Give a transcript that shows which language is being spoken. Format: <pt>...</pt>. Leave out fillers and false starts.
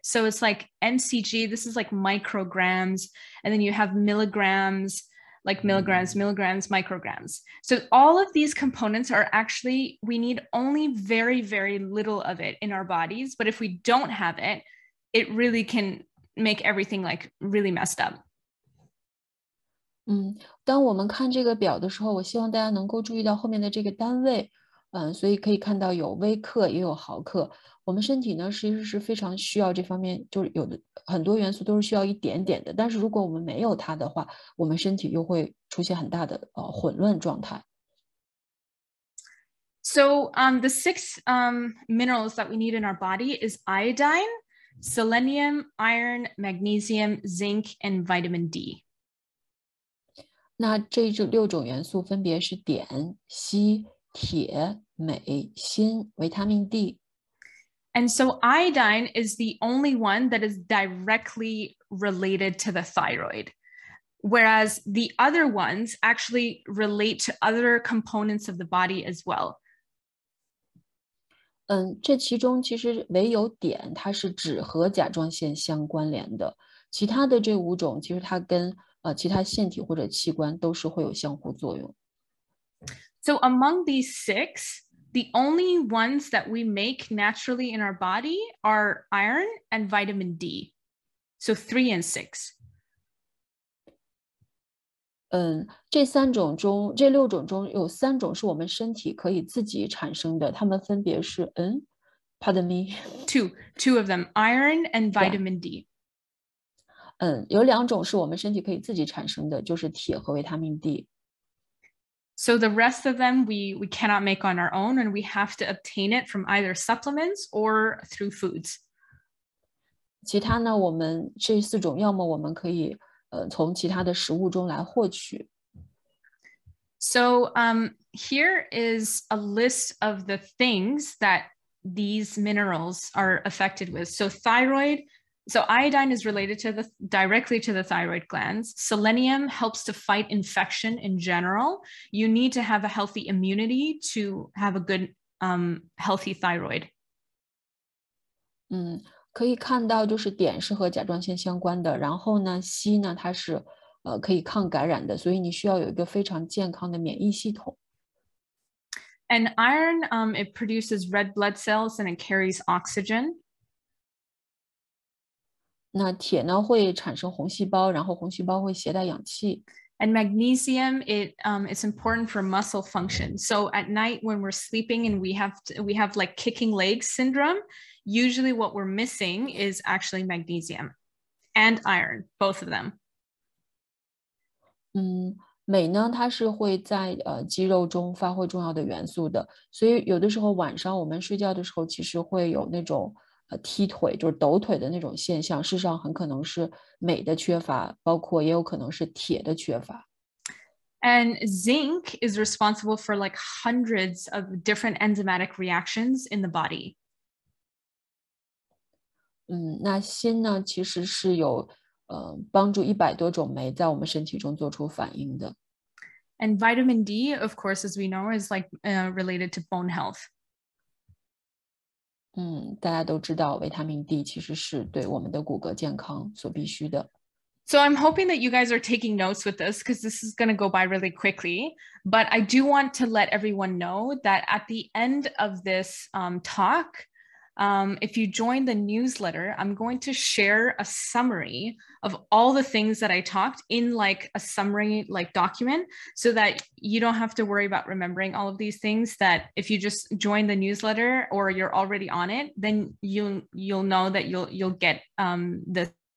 <en>So it's like mcg, this is like micrograms, and then you have milligrams, like milligrams, milligrams, micrograms. So all of these components are actually, we need only very, very little of it in our bodies. But if we don't have it, it really can make everything like really messed up.</en> <zh>当我们看这个表的时候，我希望大家能够注意到后面的这个单位，所以可以看到有微克也有毫克。我们身体呢，其实是非常需要这方面，就是有的很多元素都是需要一点点的。但是如果我们没有它的话，我们身体又会出现很大的混乱状态。</zh> <en>So, the six minerals that we need in our body is iodine, selenium, iron, magnesium, zinc, and vitamin D.</en> <zh>那这六种元素分别是碘、硒、铁、镁、锌、维他命 D。</zh> <en>And so iodine is the only one that is directly related to the thyroid, whereas the other ones actually relate to other components of the body as well.</en> <zh>这其中其实唯有碘，它是只和甲状腺相关联的，其他的这五种其实它跟其他腺体或者器官都是会有相互作用。</zh> <en>So among these six, the only ones that we make naturally in our body are iron and vitamin D. So three and six.</en> <zh>这三种中，这六种中有三种是我们身体可以自己产生的，它们分别是</zh> <en>Pardon me. Two of them, iron and vitamin D. Yeah.</en> <zh>有两种是我们身体可以自己产生的，就是铁和维他命 D。</zh> <en>So the rest of them we cannot make on our own, and we have to obtain it from either supplements or through foods.</en> <zh>其他呢，我们这四种要么我们可以从其他的食物中来获取。</zh> <en>So here is a list of the things that these minerals are affected with. So iodine is related to directly to the thyroid glands. Selenium helps to fight infection in general. You need to have a healthy immunity to have a good, healthy thyroid.</en> <zh>可以看到就是碘是和甲状腺相关的，然后呢，硒呢，它是可以抗感染的，所以你需要有一个非常健康的免疫系统。</zh> <en>And iron, it produces red blood cells and it carries oxygen.</en> <zh>那铁呢会产生红细胞，然后红细胞会携带氧气。</zh> <en>And magnesium, it's important for muscle function. So at night when we're sleeping and we have like kicking legs syndrome, usually what we're missing is actually magnesium and iron, both of them.</en> <zh>镁呢，它是会在肌肉中发挥重要的元素的，所以有的时候晚上我们睡觉的时候，其实会有那种。踢腿就是抖腿的那种现象，事实上很可能是镁的缺乏，包括也有可能是铁的缺乏。</zh> <en>And zinc is responsible for like hundreds of different enzymatic reactions in the body.</en> <zh>那锌呢，其实是有帮助100多种酶在我们身体中做出反应的。</zh> <en>And vitamin D, of course, as we know, is like related to bone health.</en> <zh>大家都知道维他命 D 其实是对我们的骨骼健康所必须的。</zh> <en>So I'm hoping that you guys are taking notes with this because this is going to go by really quickly. But I do want to let everyone know that at the end of this talk, if you join the newsletter, I'm going to share a summary of all the things that I talked in like a summary like document so that you don't have to worry about remembering all of these things that if you just join the newsletter or you're already on it, then you'll know that you'll get this.</en>